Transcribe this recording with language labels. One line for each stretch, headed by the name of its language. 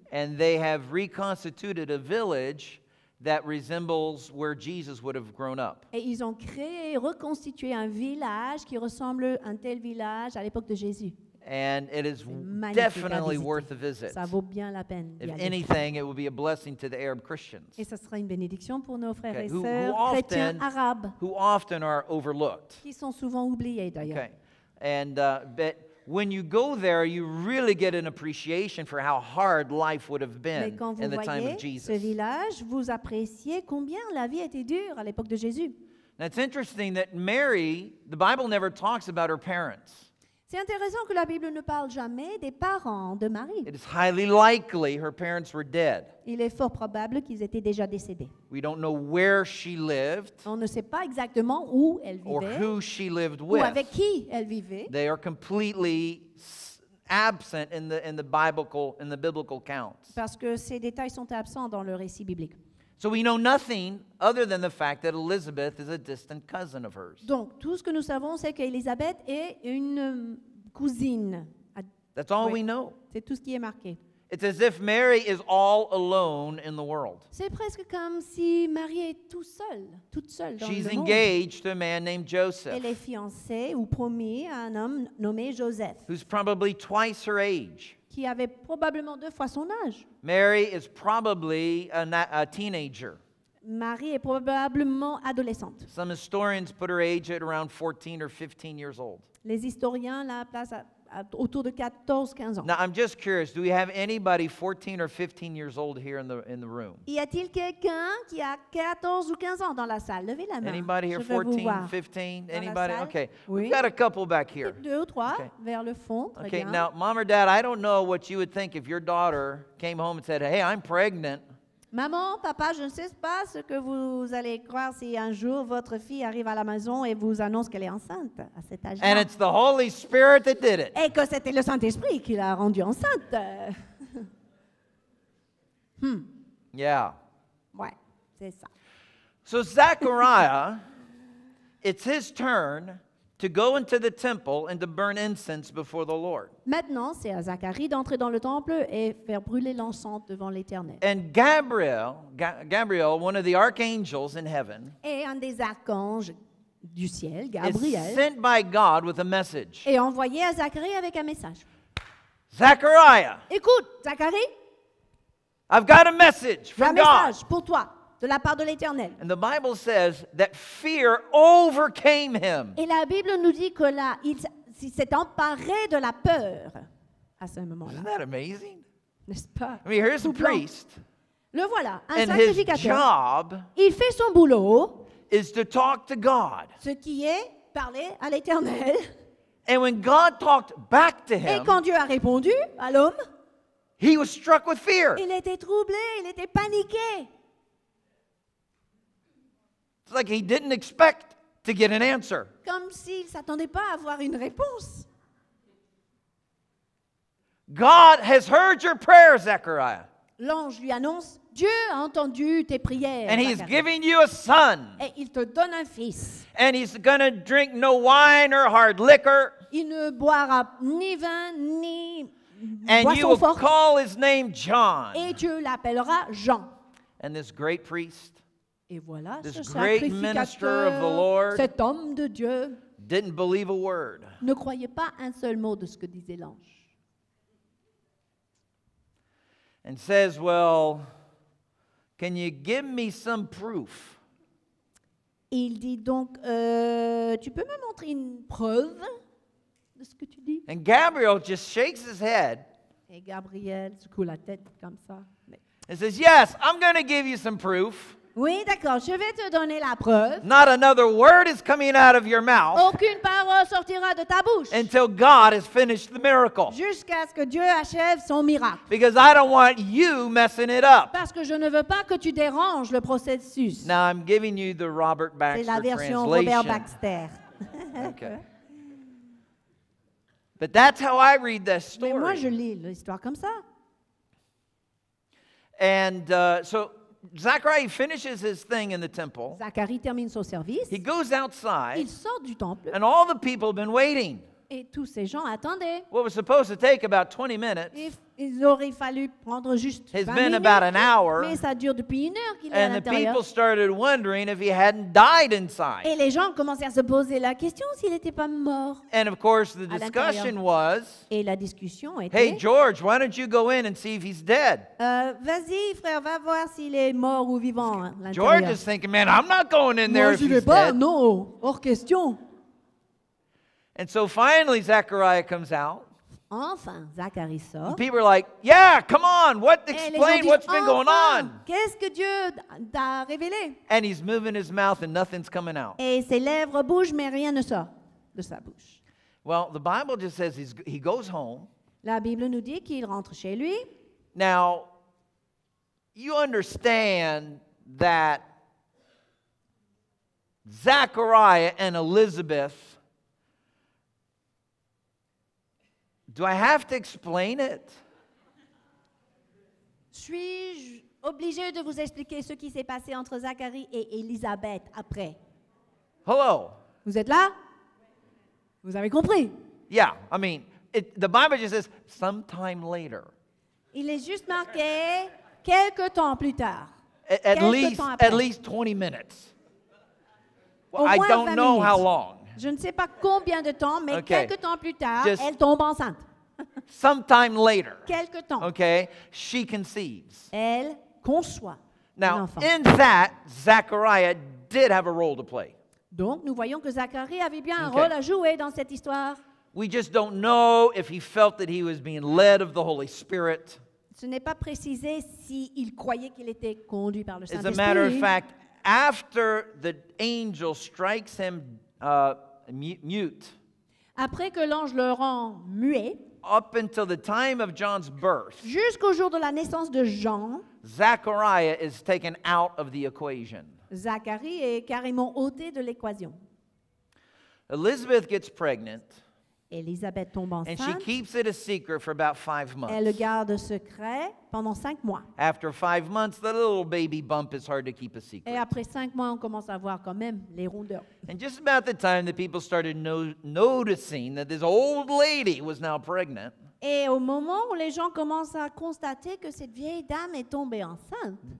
English: And they have reconstituted a village that resembles where Jesus would have grown up.
French: Et ils ont créé et reconstitué un village qui ressemble à un tel village à l'époque de Jésus.
English: And it is definitely worth a visit.
French: Ça vaut bien la peine.
English: If anything, it would be a blessing to the Arab Christians.
French: Et ça sera une bénédiction pour nos frères et sœurs chrétiens arabes.
English: Who often are overlooked.
French: Qui sont souvent oubliés d'ailleurs.
English: Okay. And but when you go there, you really get an appreciation for how hard life would have been in the time of Jesus.
French: Mais quand vous voyez ce village, vous appréciez combien la vie était dure à l'époque de Jésus.
English: Now it's interesting that Mary, the Bible never talks about her parents.
French: C'est intéressant que la Bible ne parle jamais des parents de Marie.
English: It is highly likely her parents were dead.
French: Il est fort probable qu'ils étaient déjà décédés.
English: We don't know where she lived.
French: On ne sait pas exactement où elle vivait.
English: Or who she lived with.
French: Ou avec qui elle vivait.
English: They are completely absent in the biblical counts.
French: Parce que ces détails sont absents dans le récit biblique.
English: So we know nothing other than the fact that Elizabeth is a distant cousin of hers.
French: Donc tout ce que nous savons c'est qu'Elizabeth est une cousine.
English: That's all we know.
French: C'est tout ce qui est marqué.
English: It's as if Mary is all alone in the world.
French: C'est presque comme si Marie est toute seule dans le monde.
English: She's engaged to a man named Joseph.
French: Elle est fiancée ou promise à un homme nommé Joseph.
English: Who's probably twice her age.
French: Qui avait probablement deux fois son âge.
English: Mary is probably a teenager.
French: Marie est probablement adolescente.
English: Some historians put her age at around 14 or 15 years old.
French: Les historiens la placent autour de 14-15 ans.
English: Now I'm just curious, do we have anybody 14 or 15 years old here in the room?
French: Y a-t-il quelqu'un qui a 14 ou 15 ans dans la salle? Levez la main.
English: Anybody here 14, 15? Anybody? Okay.
French: Oui.
English: We've got a couple back here.
French: Deux ou trois okay. Vers le fond. Très
English: okay.
French: Bien.
English: Now, mom or dad, I don't know what you would think if your daughter came home and said, "Hey, I'm pregnant."
French: Maman, papa, je ne sais pas ce que vous allez croire si un jour votre fille arrive à la maison et vous annonce qu'elle est enceinte à cet âge-là.
English: And it's the Holy Spirit that did it.
French: Et que c'était le Saint-Esprit qui l'a rendue enceinte.
English: Yeah.
French: Ouais, c'est ça.
English: So Zechariah, it's his turn to go into the temple and to burn incense before the Lord.
French: Maintenant, c'est à Zacharie d'entrer dans le temple et faire brûler l'encens devant l'Éternel.
English: And Gabriel, one of the archangels in heaven,
French: et un des archanges du ciel, Gabriel,
English: is sent by God with a message.
French: Et envoyé à Zacharie avec un message.
English: Zechariah.
French: Écoute, Zacharie.
English: I've got a message from God.
French: Un message pour toi. De la part de l'Éternel.
English: And the Bible says that fear overcame him.
French: Et la Bible nous dit que là, il s'est emparé de la peur à ce moment-là.
English: Isn't that amazing?
French: N'est-ce pas?
English: I mean, here's a priest.
French: Le voilà, un
English: and
French: sacrificateur.
English: And his job,
French: il fait son boulot,
English: is to talk to God.
French: Ce qui est parler à l'Éternel.
English: And when God talked back to him,
French: et quand Dieu a répondu à l'homme,
English: he was struck with fear.
French: Il était troublé, il était paniqué.
English: It's like he didn't expect to get an answer.
French: Comme s'il s'attendait pas à avoir une réponse.
English: God has heard your prayer, Zechariah.
French: L'ange lui annonce, Dieu a entendu tes prières.
English: And he's giving you a son.
French: Et il te donne un fils.
English: And he's going to drink no wine or hard liquor.
French: Il ne boira ni vin ni
English: and
French: forte.
English: And you will call his name John.
French: Et tu l'appelleras Jean.
English: And this great priest.
French: Et voilà,
English: this
French: ce
English: great minister of the Lord,
French: cet homme de Dieu,
English: didn't believe a word.
French: Ne croyait pas un seul mot de ce que disait l'ange.
English: And says, "Well, can you give me some proof?"
French: Il dit donc, tu peux me montrer une preuve de ce que tu dis?
English: And Gabriel just shakes his head.
French: Et Gabriel secoue la tête comme ça.
English: He says, "Yes, I'm going to give you some proof."
French: Oui, d'accord. Je vais te donner la preuve.
English: Not another word is coming out of your mouth.
French: Aucune parole sortira de ta bouche.
English: Until God has finished the miracle.
French: Jusqu'à ce que Dieu achève son miracle.
English: Because I don't want you messing it up.
French: Parce que je ne veux pas que tu déranges le processus.
English: Now I'm giving you the Robert Baxter translation.
French: C'est la version Robert Baxter.
English: Okay. But that's how I read this story.
French: Mais moi, je lis l'histoire comme ça.
English: And so Zachariah finishes his thing in the temple.
French: Zacharie termine son service.
English: He goes outside.
French: Il sort du temple.
English: And all the people have been waiting.
French: Et tous ces gens attendaient.
English: What was supposed to take about 20 minutes.
French: Il aurait fallu prendre juste 20 minutes.
English: It's been about an hour.
French: Mais ça dure depuis une heure qu'il est à l'intérieur.
English: And the people started wondering if he hadn't died inside.
French: Et les gens commençaient à se poser la question s'il n'était pas mort.
English: And of course the discussion was.
French: Et la discussion était.
English: Hey George, why don't you go in and see if he's dead?
French: Vas-y frère, va voir s'il est mort ou vivant à l'intérieur.
English: George is thinking, man, I'm not going in there if he's dead.
French: Moi, je vais pas. Non, hors question.
English: And so finally, Zachariah comes out.
French: Enfin, Zacharie sort.
English: And people are like, yeah, come on, what, explain
French: disent,
English: what's been going on.
French: Qu'est-ce que Dieu t'a révélé?
English: And he's moving his mouth and nothing's coming out.
French: Et ses lèvres bougent, mais rien ne sort de sa bouche.
English: Well, the Bible just says he goes home.
French: La Bible nous dit qu'il rentre chez lui.
English: Now, you understand that Zachariah and Elizabeth. Do I have to explain it?
French: Suis-je obligé de vous expliquer ce qui s'est passé entre Zacharie et Elisabeth après?
English: Hello.
French: Vous êtes là? Vous avez compris?
English: Yeah, I mean, the Bible just says sometime later.
French: Il est juste marqué quelques temps plus tard.
English: At least 20 minutes. Well, I don't know minutes. How long.
French: Je ne sais pas combien de temps, mais
English: okay.
French: Quelques temps plus tard,
English: just
French: elle tombe enceinte.
English: Sometime later.
French: Quelque temps.
English: Okay. She conceives.
French: Elle conçoit.
English: Now, in that, Zachariah did have a role to play.
French: Donc, nous voyons que Zacharie avait bien un rôle à jouer dans cette histoire.
English: We just don't know if he felt that he was being led of the Holy Spirit.
French: Ce n'est pas précisé s'il croyait qu'il était conduit par le Saint-Esprit.
English: As a matter of fact, after the angel strikes him mute.
French: Après que l'ange le rend muet,
English: up until the time of John's birth,
French: jusqu'au jour de la naissance de Jean,
English: Zachariah is taken out of the equation.
French: Zacharie est carrément ôté de l'équation.
English: Elizabeth gets pregnant.
French: Elizabeth tombe enceinte.
English: And she keeps it a secret for about 5 months.
French: Elle le garde secret pendant 5 mois.
English: After 5 months, the little baby bump is hard to keep a secret.
French: Et après 5 mois, on commence à voir quand même les rondeurs.
English: And just about the time that people started noticing that this old lady was now pregnant.
French: Et au moment où les gens commencent à constater que cette vieille dame est tombée enceinte.